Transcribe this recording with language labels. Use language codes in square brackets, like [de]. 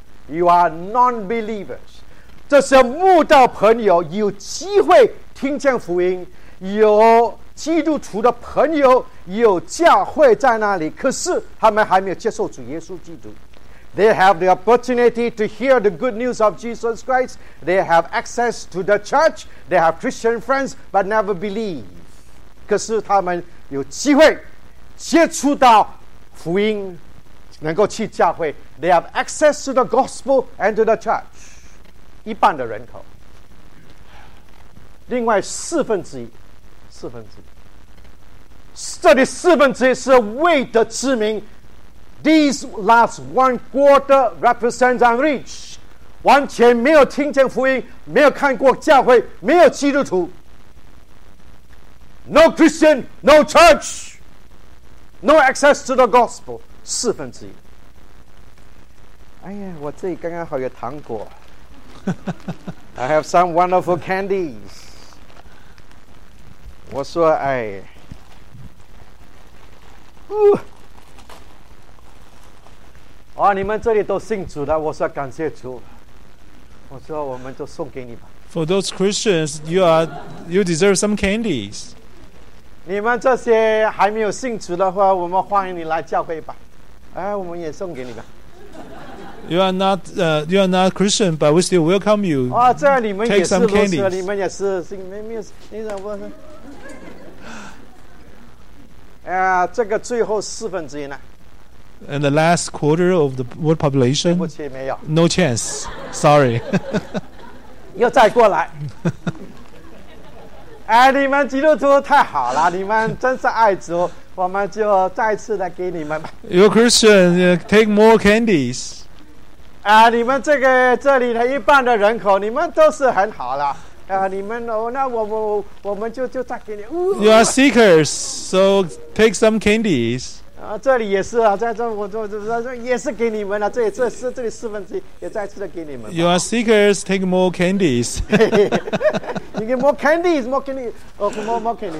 [en] You are non-believers， [zh] 这些慕道朋友有机会听见福音，有基督徒的朋友，有教会在那里，可是他们还没有接受主耶稣基督。 [en] They have the opportunity to hear the good news of Jesus Christ. They have access to the church. They have Christian friends, but never believe. [zh] 可是他们有机会接触到福音，能够去教会。 [en] They have access to the gospel and to the church. [zh] 一半的人口，另外四分之一，四分之一，这里四分之一是未得之民。 [en] These last one quarter represents unreach， [zh] 完全没有听见福音，没有看过教会，没有基督徒。 [en] No Christian, no church, no access to the gospel。 [zh] 四分之一。哎呀，我这里刚刚好有糖果。 [en] I have some wonderful candies。 [zh] 我说哎，哦，你们这里都信主的，我说感谢主，我说我们就送给你吧。 [en] For those Christians, you deserve some candies. [zh] 你们这些还没有信主的话，我们欢迎你来教会吧。哎，我们也送给你吧。 [en] You are not Christian, but we still welcome you. [zh] 啊，这你们也是如此，你们也是信，没有，你怎么？这个最后四分之一呢？ [en] And the last quarter of the world population? [zh] 对不起，没有。 [en] No chance. Sorry. [zh] 又再过来。哎，你们基督徒太好了，你们真是爱主，我们就再次的给你们吧。 [en] You're Christian, take more candies. [zh] 你们这里的一半的人口，你们都是很好了。你们哦，那我们就再给你。 [en] You are seekers, so take some candies. [zh] 这里也是啊，在这我也是给你们了、啊，这里四分之一也再次的给你们。 [en] You are seekers, take more candies. You get more candies, more candies, more candies.